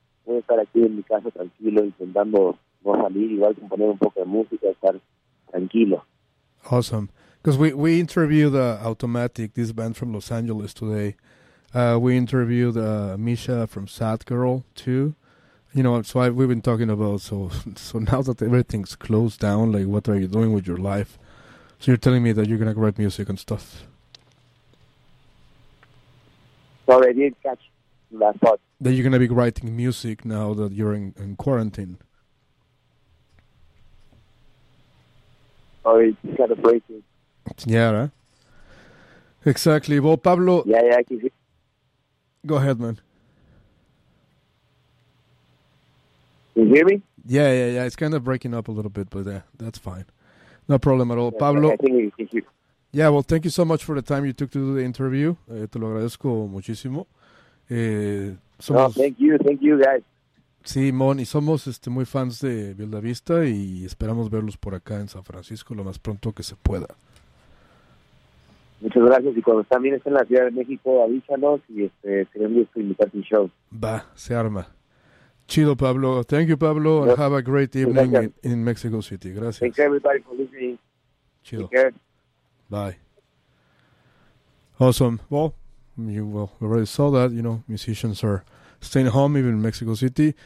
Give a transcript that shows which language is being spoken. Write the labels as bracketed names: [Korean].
[Spanish] Voy a estar aquí en mi casa tranquilo, intentando no salir, igual componer un poco de música, estar tranquilo. [English] Awesome. Because we interviewed Automatic, this band from Los Angeles, today. We interviewed Misha from Sad Girl, too. You know, so we've been talking about, so now that everything's closed down, like, what are you doing with your life? So you're telling me that you're going to write music and stuff. Sorry, I didn't catch that part. That you're going to be writing music now that you're in quarantine. Sorry, it's kind of breaking. Yeah, right? Exactly. Well, Pablo... Yeah, I can hear. Go ahead, man. Can you hear me? Yeah. It's kind of breaking up a little bit, but that's fine. No problem at all. Yeah, Pablo. Okay, thank you. Yeah, well, thank you so much for the time you took to do the interview. [Spanish] Te lo agradezco muchísimo. [English] Thank you, guys. [Spanish] Sí, Mon, y somos muy fans de Vilda Vista y esperamos verlos por acá en San Francisco lo más pronto que se pueda. Muchas gracias. Y cuando también estén en la Ciudad de México, avísanos y queremos invitarte al show. Va, se arma. Chido, Pablo. [English] Thank you, Pablo, and have a great evening in Mexico City. [Spanish] Gracias. [English] Thanks, everybody, for listening. [Spanish] Chido. [English] Take care. Bye. Awesome. Well, we already saw that, you know, musicians are staying home, even in Mexico City.